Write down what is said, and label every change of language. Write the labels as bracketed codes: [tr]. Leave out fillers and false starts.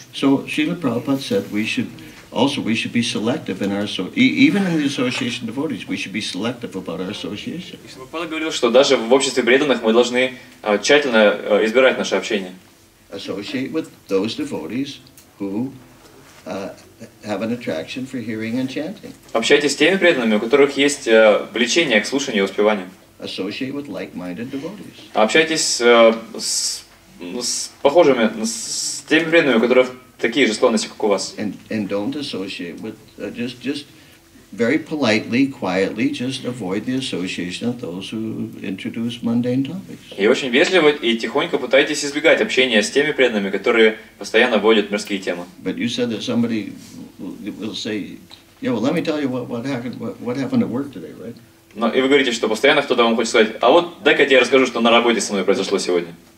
[en] So Srila Prabhupada said we should be selective in our even in the association of devotees, we should be selective about our association. [ru] Прабхупада говорил, что даже в обществе преданных мы должны тщательно избирать наше общение. [en] Associate with those devotees who have an attraction for hearing and chanting. [ru] Общайтесь с теми преданными, у которых есть влечение к слушанию и успеванию. [en] Associate with like-minded devotees. [ru] Общайтесь с похожими, с теми преданными, у которых такие же склонности, как у вас. [en] And don't associate with just very politely, quietly, just avoid the association of those who introduce mundane topics. [ru] И очень вежливо и тихонько пытайтесь избегать общения с теми преданными, которые постоянно вводят мирские темы. [en] But you said that somebody will say, yeah, well, let me tell you what happened at work today, right? [ru] Но и вы говорите, что постоянно кто-то вам хочет сказать, а вот дай-ка я тебе расскажу, что на работе со мной произошло сегодня.